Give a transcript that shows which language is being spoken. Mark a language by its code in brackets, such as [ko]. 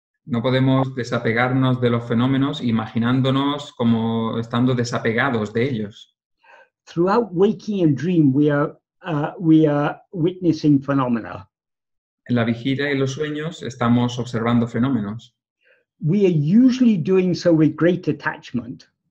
[es] No podemos desapegarnos de los fenómenos imaginándonos como estando desapegados de ellos. [en] Throughout waking and dream, we are witnessing phenomena. [es] En la vigilia y los sueños estamos observando fenómenos. [en] We are usually doing so with great attachment.